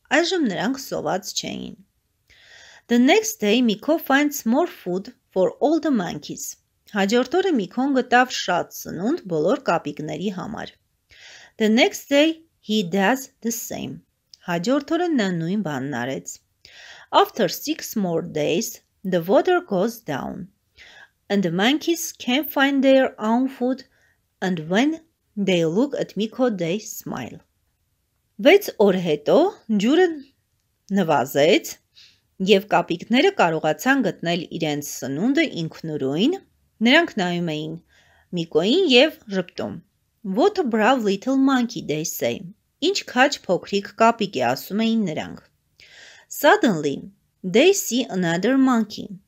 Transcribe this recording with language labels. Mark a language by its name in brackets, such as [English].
[Armenian] Այժմ նրանք սոված չէին. [English] The next day Miko finds more food for all the monkeys. [Armenian] Հաջորդ օրը Միկոն գտավ շատ սնունդ բոլոր կապիկների համար. [English] The next day he does the same. [Armenian] Հաջորդ օրը նա նույն բանն արեց. [English] After 6 more days the water goes down and the monkeys can find their own food and when they look at Miko they smile. [Armenian] 6 օր հետո ջուրը նվազեց եւ կապիկները կարողացան գտնել իրենց սնունդը ինքնուրույն։ Նրանք նայում էին Միկոին եւ ժպտում։ [English] What a brave little monkey, they say. [Armenian] Ինչ քաչ փոքրիկ կապիկ է, ասում էին նրանք։ [English] Suddenly, they see another monkey.